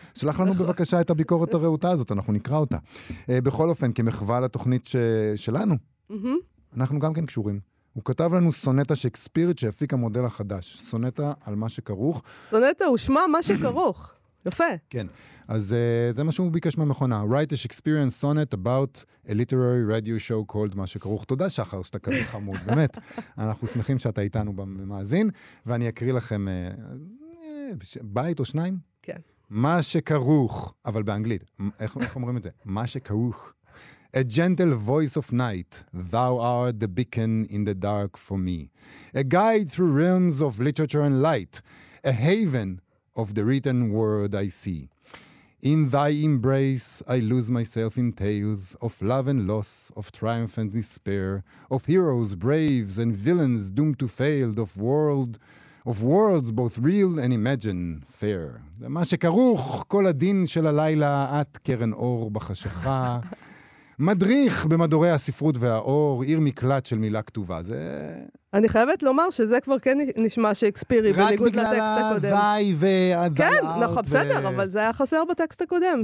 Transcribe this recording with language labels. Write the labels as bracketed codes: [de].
[he] שלח לנו בבקשה את הביקורת הראותה הזאת, אנחנו נקרא אותה. בכל אופן, כמחווה לתוכנית שלנו, אנחנו גם כן קשורים. הוא כתב לנו סונטה שקספירית שהפיק המודל החדש. סונטה על מה שכרוך. סונטה הוא שמה מה שכרוך. יפה. כן. אז זה מה שהוא ביקש מהמכונה. [en] Write a Shakespearean sonnet about a literary radio show called מה שכרוך. [he] תודה שחר, שאתה כזה חמוד. באמת. אנחנו שמחים שאתה איתנו במאזין. ואני אקריא לכם בית או שניים. כן. מה שכרוך. אבל באנגלית. איך אומרים את זה? מה שכרוך. [en] A gentle voice of night, thou art the beacon in the dark for me. A guide through realms of literature and light, a haven of the written word I see. In thy embrace I lose myself in tales of love and loss, of triumph and despair, of heroes, braves, and villains doomed to fail, of worlds both real and imagined fair. [he] מה שכרוך כל הדין של הלילה, את קרן אור בחשיכה, מדריך במדורי הספרות והאור, עיר מקלט של מילה כתובה. זה... אני חייבת לומר שזה כבר כן נשמע שאקספירי, בניגוד לטקסט הקודם. רק בגלל הווי והדלארט. כן, נכון, בסדר, אבל זה היה חסר בטקסט הקודם.